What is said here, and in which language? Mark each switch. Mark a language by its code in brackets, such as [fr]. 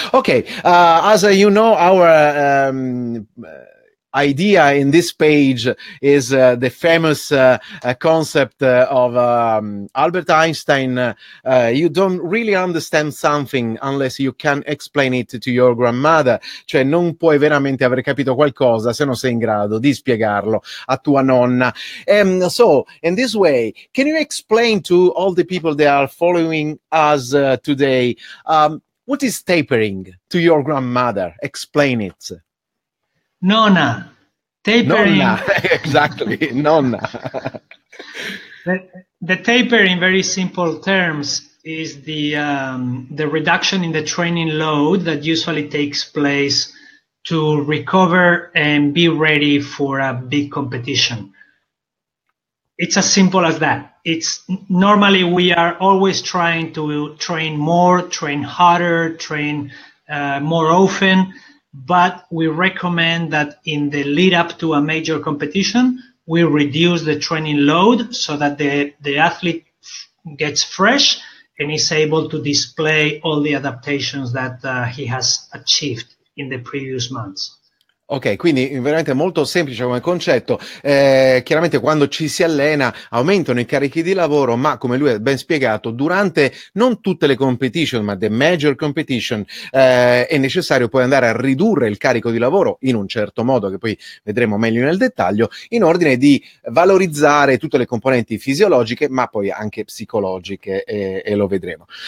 [en] Okay, as you know, our idea in this page is the famous concept of Albert Einstein. You don't really understand something unless you can explain it to your grandmother. [it] Cioè, non puoi veramente aver capito qualcosa se non sei in grado di spiegarlo a tua nonna. [en] So, in this way, can you explain to all the people that are following us today, what is tapering to your grandmother? Explain it. [it] Nonna, Nonna, [en] tapering. exactly, nonna. The taper, in very simple terms, is the reduction in the training load that usually takes place to recover and be ready for a big competition. It's as simple as that. It's normally we are always trying to train more, train harder, train more often. But we recommend that in the lead up to a major competition, we reduce the training load so that the athlete gets fresh and is able to display all the adaptations that he has achieved in the previous months. [it] Ok, quindi veramente molto semplice come concetto. Chiaramente quando ci si allena aumentano i carichi di lavoro, ma come lui ha ben spiegato, durante non tutte le competition, ma [en] the major competition, [it] è necessario poi andare a ridurre il carico di lavoro in un certo modo, che poi vedremo meglio nel dettaglio, in ordine di valorizzare tutte le componenti fisiologiche, ma poi anche psicologiche, e lo vedremo.